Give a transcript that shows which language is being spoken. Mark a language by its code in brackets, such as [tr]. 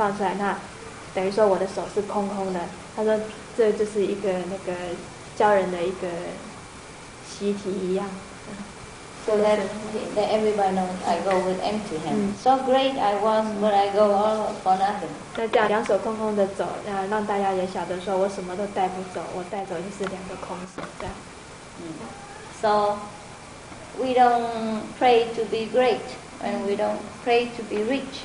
[zh] 那这个亚历山大呢，他就跟他的旁边的侍卫讲，就是说你要帮我放进这个棺木的之后呢，就是把我的手放出来，那等于说我的手是空空的。他说：“这就是一个那个教人的一个习题一样。” [en] So that everybody knows I go with empty hands. So great I was, but I go all for nothing. [zh] 那这样两手空空的走，让大家也晓得说我什么都带不走，我带走就是两个空手。这样。 [en] So we don't pray to be great, and we don't pray to be rich.